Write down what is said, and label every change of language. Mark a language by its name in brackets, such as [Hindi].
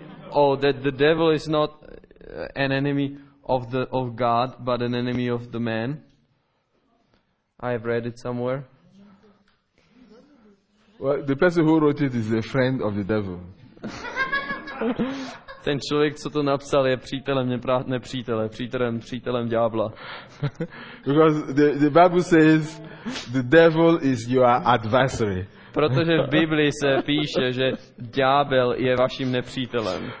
[English] Oh, that the devil is not an enemy of God, but an enemy of the man. I have read it somewhere. Well, the person who wrote it is a friend of the devil. [Czech] Ten člověk, co to napsal, je přítelem nepřítele, přítelem ďábla. [English] Because the Bible says the devil is your adversary. [Czech] Protože v Biblii se píše, že ďábel je vaším nepřítelem.